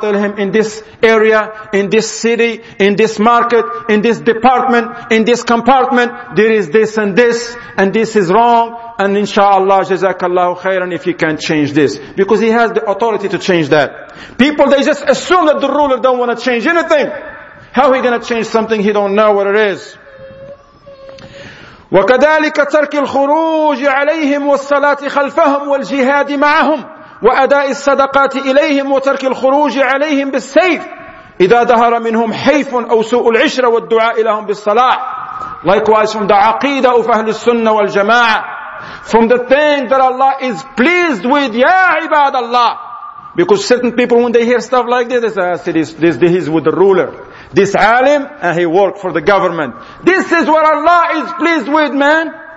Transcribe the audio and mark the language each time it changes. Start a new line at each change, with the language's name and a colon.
English: Tell him in this area, in this city, in this market, in this department, in this compartment, there is this and this, and this is wrong. And inshallah, jazakallahu khairan, if he can change this. Because he has the authority to change that. People, they just assume that the ruler don't want to change anything. How are he going to change something he don't know what it is?
Arabic: وكذلك ترك الخروج عليهم والصلاة خلفهم والجهاد معهم وأداء الصدقات إليهم وترك الخروج عليهم بالسيف إذا ظهر منهم حيف أو سوء العشرة والدعاء لهم بالصلاة.
English: Likewise from the عقيدة of أهل السنة والجماعة. From the thing that Allah is pleased with,
Arabic: يا عباد الله.
English: Because certain people, when they hear stuff like this, they say, oh, see, this is with the ruler. This alim, and he worked for the government. This is what Allah is pleased with, man.